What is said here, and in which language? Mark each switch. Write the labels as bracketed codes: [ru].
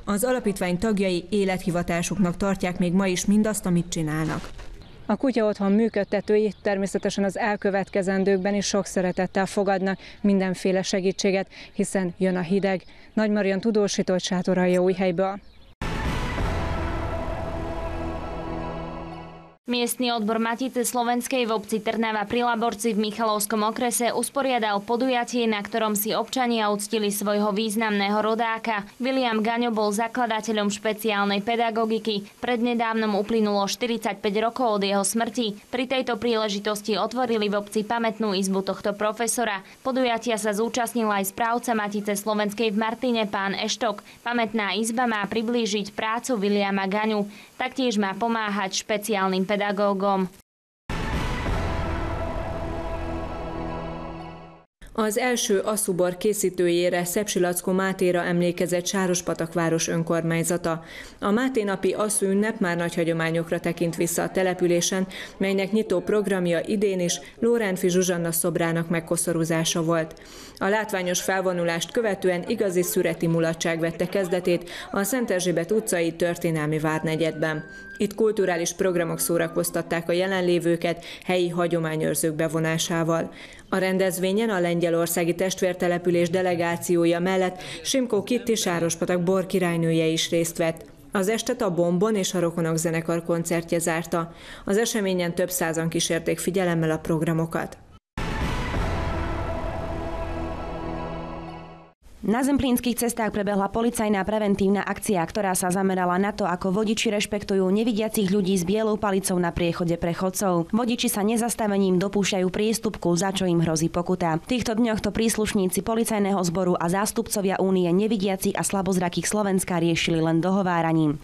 [hu] Az alapítvány tagjai élethivatásuknak tartják még ma is mindazt, amit csinálnak. A kutya otthon működtetői természetesen az elkövetkezendőkben is sok szeretettel fogadnak mindenféle segítséget, hiszen jön a hideg. Nagy Marian tudósított Sátorai Újhelyből. [sk] Miestny odbor Matice Slovenskej v obci Trnava pri Laborci v Michalovskom okrese usporiadal podujatie, na ktorom si občania uctili svojho významného rodáka. William Gaňo bol zakladateľom špeciálnej pedagogiky. Prednedávnom uplynulo 45 rokov od jeho smrti. Pri tejto príležitosti otvorili v obci pamätnú izbu tohto profesora. Podujatia sa zúčastnila aj správca Matice Slovenskej v Martine, pán Eštok. Pamätná izba má priblížiť prácu Williama Gaňu. Taktiež má pomáhať špeciálnym pedagógom. [hu] Az első aszubor készítőjére Szepsilackó Mátéra emlékezett Sárospatakváros önkormányzata. A Máté napi aszünnep már nagy hagyományokra tekint vissza a településen, melynek nyitó programja idén is Lórenfi Zsuzsanna szobrának megkoszorúzása volt. A látványos felvonulást követően igazi szüreti mulatság vette kezdetét a Szent Erzsébet utcai történelmi várnegyedben. Itt kulturális programok szórakoztatták a jelenlévőket helyi hagyományőrzők bevonásával. A rendezvényen a lengyelországi testvértelepülés delegációja mellett Simkó Kitti Sárospatak borkirálynője is részt vett. Az estet a Bombon és a Rokonok zenekar koncertje zárta. Az eseményen több százan kísérték figyelemmel a programokat. [sk] Na zemplínskych cestách prebehla policajná preventívna akcia, ktorá sa zamerala na to, ako vodiči rešpektujú nevidiacich ľudí s bielou palicou na priechode prechodcov. Vodiči sa nezastavením dopúšťajú priestupku, za čo im hrozí pokuta. V týchto dňoch to príslušníci policajného zboru a zástupcovia Únie nevidiacich a slabozrakých Slovenska riešili len dohováraním.